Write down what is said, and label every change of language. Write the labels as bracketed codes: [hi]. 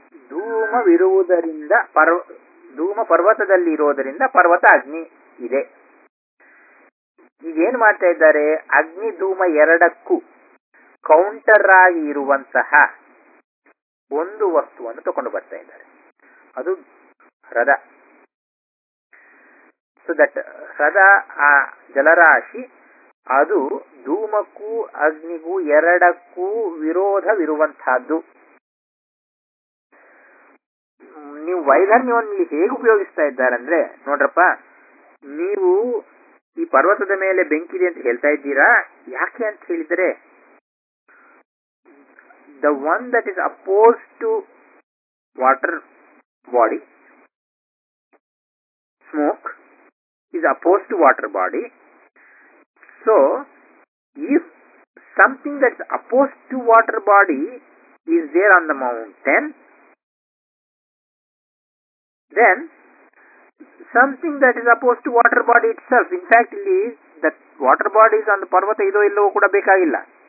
[kn] Dhuma viruvudarinda, Dhuma Parvata dalli iruvudarinda, Parvata Agni ide. Igen maata idare, Agni Dhuma eradakku, counter agi iruvantaha, ಒಂದು ವಸ್ತುವನ್ನು ತಗೊಂಡು ಬರ್ತಾ ಇದ್ದಾರೆ, ಅದು ರಥ. [en] so that [kn] ರಥ ಆ ಜಲರಾಶಿ ಅದು ಧೂಮಕ್ಕೂ ಅಗ್ನಿಗೂ ಎರಡಕ್ಕೂ ವಿರೋಧವಿರುವಂತಹದ್ದು. ನೀವು ವೈಧರ್ಮ್ಯವನ್ನು ಇಲ್ಲಿ ಹೇಗೆ ಉಪಯೋಗಿಸ್ತಾ ಇದ್ದಾರಂದ್ರೆ ನೋಡ್ರಪ್ಪ, ನೀವು ಈ ಪರ್ವತದ ಮೇಲೆ ಬೆಂಕಿ ಇದೆ ಅಂತ ಹೇಳ್ತಾ ಇದ್ದೀರಾ. ಯಾಕೆ ಅಂತ ಹೇಳಿದರೆ [en] the one that is opposed to water body, smoke is opposed to water body. So if something that is opposed to water body is there on the mountain, then something that is opposed to water body itself, in fact it is that water body is on the parvata [kn] ido illo kuda bekagilla.